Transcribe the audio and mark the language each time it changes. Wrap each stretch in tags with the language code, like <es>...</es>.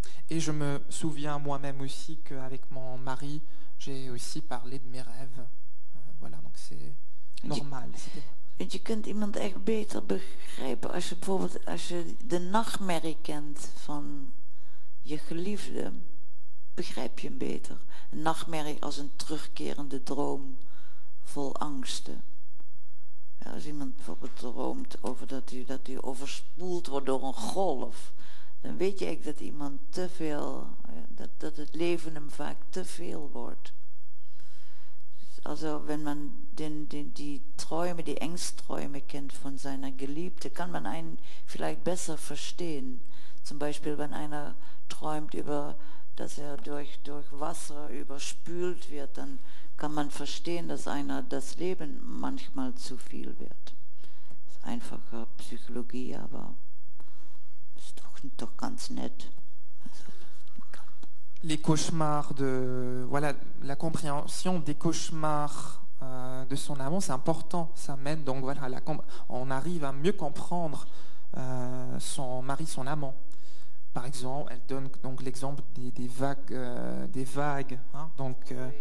<fr>Et je me souviens moi-même aussi qu'avec mon mari, j'ai aussi parlé de mes rêves. Voilà, donc c'est normal.</fr> <nl>Je kunt iemand echt beter begrijpen als je bijvoorbeeld als je de nachtmerrie kent van je geliefde, begrijp je hem beter. Een nachtmerrie als een terugkerende droom vol angsten. Ja, als iemand bijvoorbeeld droomt over dat hij overspoeld wordt door een golf, dan weet je echt dat iemand te veel, dat het leven hem vaak te veel wordt.</nl> <de>Also wenn man die Träume, die Ängstträume kennt von seiner Geliebte, kann man einen vielleicht besser verstehen. Zum Beispiel, wenn einer träumt, dass er durch Wasser überspült wird, dann kann man verstehen, dass einer das Leben manchmal zu viel wird. Das ist einfache Psychologie, aber das ist doch ganz nett.</de> <fr>Les cauchemars la compréhension des cauchemars de son amant, c'est important, ça mène donc voilà, on arrive à mieux comprendre son mari, son amant. Par exemple, elle donne donc l'exemple des vagues, hein, donc</fr>